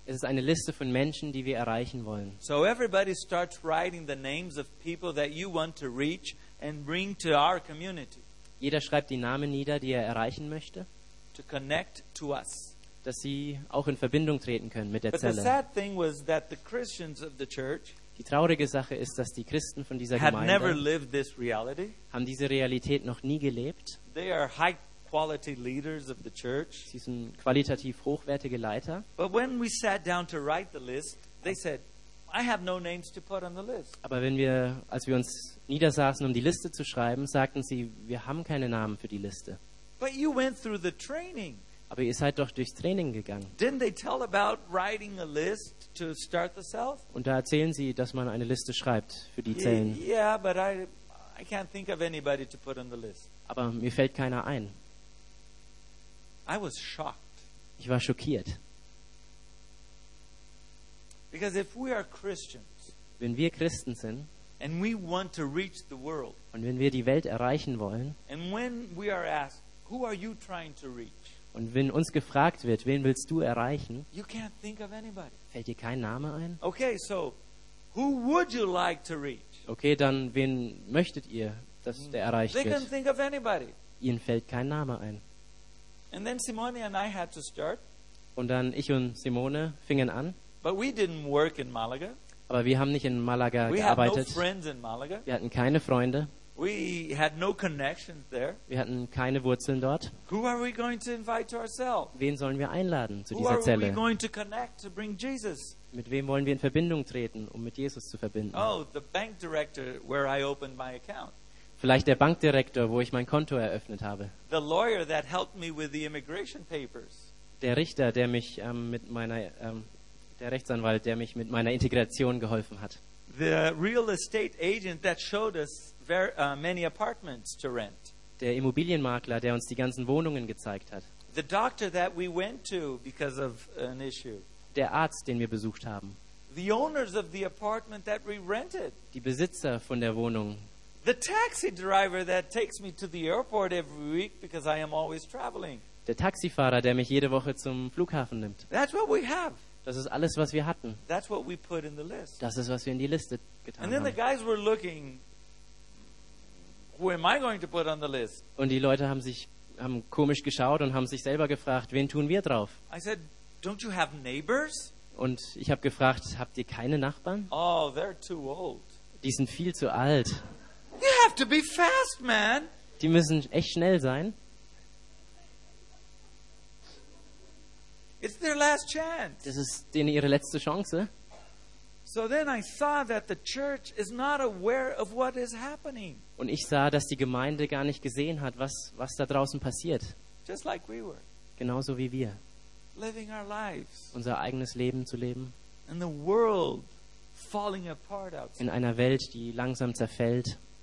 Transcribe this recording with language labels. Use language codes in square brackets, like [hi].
[de] Es ist eine Liste von Menschen, die wir erreichen wollen. [en] So everybody starts writing the names of people that you want to reach and bring to our community. [de] Jeder schreibt die Namen nieder, die er erreichen möchte. [en] To connect to us. [de] Dass sie auch in Verbindung treten können mit der [en] But [de] Zelle. [en] But the sad thing was that the Christians of the church. [de] Die traurige Sache ist, dass die Christen von dieser Gemeinde [en] never lived this reality. [de] Haben diese Realität noch nie gelebt. [en] They are high quality leaders of the church. [de] Sie sind qualitativ hochwertige Leiter. [en] But when we sat down to write the list, they said, I have no names to put on the list. [de] Aber als wir uns niedersaßen, um die Liste zu schreiben, sagten sie, wir haben keine Namen für die Liste. [en] But you went through the training. [de] Aber ihr seid doch durchs Training gegangen. [en] Didn't they tell about writing a list? To start the self? [de] Und da erzählen sie, dass man eine Liste schreibt für die Zellen. [en] Yeah, but I can't think of anybody to put on the list. [de] Aber mir fällt keiner ein. [en] I was shocked. [de] Ich war schockiert. [en] Because if we are Christians, [de] wenn wir Christen sind, [en] and we want to reach the world, [de] und wenn wir die Welt erreichen wollen, [en] and when we are asked, who are you trying to reach? [de] Und wenn uns gefragt wird, wen willst du erreichen? [en] You can't think of anybody. [de] Fällt dir kein Name ein? [en] Okay, so who would you like to reach? [de] Okay, dann wen möchtet ihr, dass der erreicht [en] They [de] wird? [en] Can't think of anybody. [de] Ihnen fällt kein Name ein. [en] And then Simone and I had to start. [de] Und dann ich und Simone fingen an. [en] But we didn't work in Malaga. [de] Aber wir haben nicht in Malaga [en] we [de] gearbeitet. [en] Had no friends in Malaga. [de] Wir hatten keine Freunde. [en] We had no connections there. [de] Wir hatten keine Wurzeln dort. [en] Who are we going to invite to ourselves? [de] Wen sollen wir einladen zu dieser Zelle? [en] Who are we going to connect to bring Jesus? [de] Mit wem wollen wir in Verbindung treten, um mit Jesus zu verbinden? [en] Oh, the bank director where I opened my account. [de] Vielleicht der Bankdirektor, wo ich mein Konto eröffnet habe. [en] The lawyer that helped me with the immigration papers. [de] Der Richter, der mich mit meiner der Rechtsanwalt, der mich mit meiner Integration geholfen hat. [en] The real estate agent that showed us many apartments to rent. [de] Der Immobilienmakler, der uns die ganzen Wohnungen gezeigt hat. [en] The doctor that we went to because of an issue. [de] Der Arzt, den wir besucht haben. [en] The owners of the apartment that we rented. [de] Die Besitzer von der Wohnung. [en] The taxi driver that takes me to the airport every week because I am always traveling. [de] Der Taxifahrer, der mich jede Woche zum Flughafen nimmt. [en] That's what we have. [de] Das ist alles, was wir hatten. [en] That's what we put in the list. [de] Das ist, was wir in die Liste getan haben. [en] And then the guys were looking. Who am I going to put on the list? [de] Und die Leute haben komisch geschaut und haben sich selber gefragt, wen tun wir drauf? [en] I said, don't you have neighbors? [de] Und ich habe gefragt, habt ihr keine Nachbarn? [en] Oh, they're too old. [de] Die sind viel zu alt. [en] You have to be fast, man. [de] Die müssen echt schnell sein. [en] It's their last chance. [de] Das ist denen ihre letzte Chance. [en] So then I saw that the church is not aware of what is happening. [de] Und ich sah, dass die Gemeinde gar nicht gesehen hat, was da draußen passiert. [en] Just like we were. [de] Genauso wie wir. [en] Living our lives. [de] Unser eigenes Leben zu leben. [en] And the world falling apart outside. [de] In einer Welt, die langsam zerfällt.